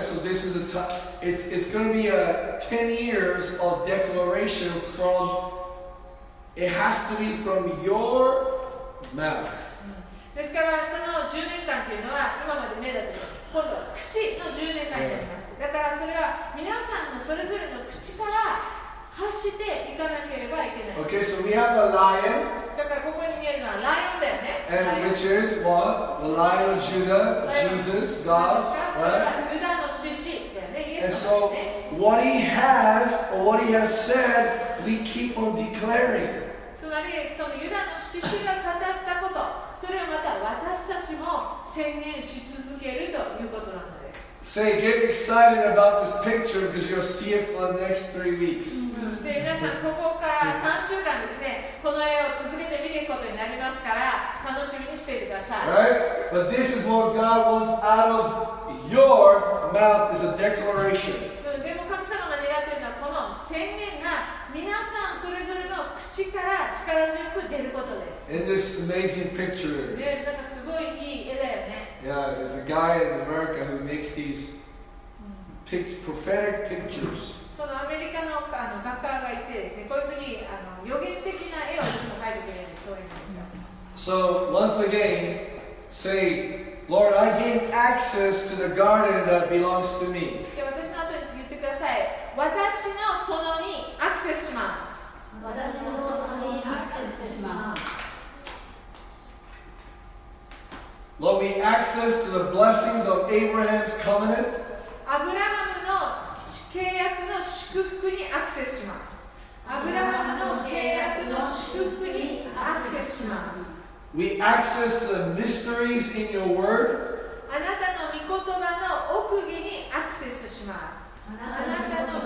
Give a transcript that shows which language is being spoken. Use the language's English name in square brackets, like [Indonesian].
[English] So this is it's going to be a 10 years of declaration from, it has to be from your mouth. [Japanese] ですからその10年間というのは今まで目だったけど今度は口の10年間になります、yeah. だからそれは皆さんのそれぞれの口から発していかなければいけない。 [English] Okay, so we have a lion. [Japanese] だからここに見えるのはライオンだよね。 [English] And which is what? The lion of Judah, Jesus, God, right? [Japanese] ユダの獅子だよね、イエス様。 [English] And so what he has or what he has said, we keep on declaring. [Japanese] つまりそのユダの獅子が語ったこと、それをまた私たちも宣言し続けるということなのです。 [English] Say, get excited about this picture because you'll see it for the next 3 weeks. [Japanese] で、皆さん、ここから3週間ですね、この絵を続けて見ていくことになりますから、楽しみにしていてください。 [English] Right? But this is what God wants out of your mouth is a declaration. [Japanese] でも神様が願っているのは、この宣言が皆さんそれぞれの口から力強く出ることです。 [English] In this amazing picture. [Japanese] ね、なんかすごいいい絵だよね。 [English] Yeah, there's a guy in America who makes these prophetic pictures. [Japanese] そのアメリカの画家がいてですね、こういうふうに予言的な絵を描いてくれる人がいるんですよ。 [English] So once again, say, Lord, I gain access to the garden that belongs to me. [Japanese] で、私の後に言ってください。私の園にアクセスします。私の園にアクセスします。 [English] Lord, we access to the blessings of Abraham's covenant. [Japanese] アブラハムの契約の祝福にアクセスします。アブラハムの契約の祝福にアクセスします。 [English] We access to the mysteries in your word. [Japanese] あなたの御言葉の奥義にアクセスします。あなたの御言葉の奥義にアクセスします。